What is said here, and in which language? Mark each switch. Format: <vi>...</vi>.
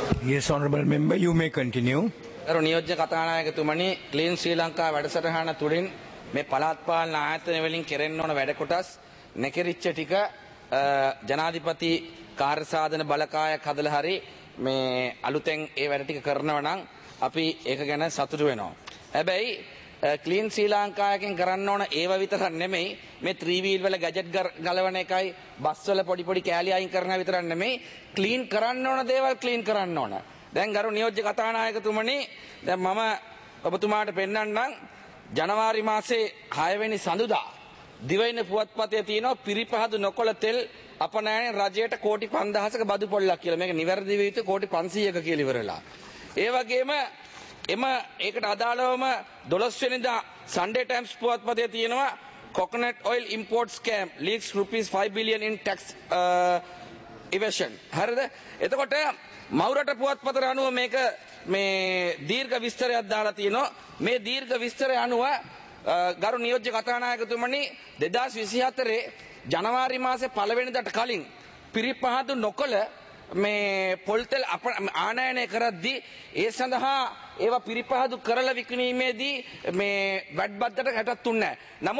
<en>Yes, honorable member, you may continue.</en> <si>ගරු නියෝජ්‍ය කථානායකතුමනි, clean ශ්‍රී ලංකා වැඩසටහන තුළින් මේ පළාත් පාලන ආයතන වලින් කෙරෙන්න ඕන වැඩ කොටස් නැකිරිච්ච ටික ජනාධිපති කාර්යසාධන බලකායක් හදලා හරි මේ අලුතෙන් ඒ වැඩ ටික කරනවා නම් අපි ඒක ගැන සතුටු වෙනවා. හැබැයි ක්ලීන් ශ්‍රී ලංකායකින් කරන්න ඕන ඒව විතරක් නෙමෙයි, මේ ත්‍රිවිල් වල ගැජට් ගලවන එකයි, බස් වල පොඩි පොඩි කෑලි අයින් කරන විතරක් නෙමෙයි, ක්ලීන් කරන්න ඕන දේවල් ක්ලීන් කරන්න ඕන. දැන් ගරු නියෝජ්‍ය කථානායකතුමනි, දැන් මම ඔබතුමාට පෙන්වන්නම් ජනවාරි මාසේ 6 වෙනි සඳුදා දිවයින පුවත්පතේ තියෙන පිරිපහදු නොකොළ තෙල් අපනයන රජයට කෝටි 5000ක බදු පොල්ලක් කියලා, මේක නිවැරදි විය යුතු කෝටි 500ක කියලා ඉවරලා. ඒ වගේම එම ඒකට අදාළවම 12 වෙනිදා Sunday Times පුවත්පතේ තියෙනවා</si> <en>coconut oil import scam leaks rupees 5 billion in tax evasion.</en> <si>හරිද? එතකොට මෞරට පුවත්පතර අනුව මේක මේ දීර්ඝ විස්තරයක් දාලා තියෙනවා. මේ දීර්ඝ විස්තරය අනුව ගරු නියෝජ්‍ය කථානායකතුමනි, 2024 ජනවාරි මාසේ 1 වෙනිදාට කලින් පිරිපහදු නොකළ මේ පොල්තෙල් ආනයනය කරද්දී ඒ සඳහා ඒවා පිරිපහදු කරලා විකිණීමේදී මේ වැට් බද්දට ගැටක් තුන්නේ නැහැ.</si>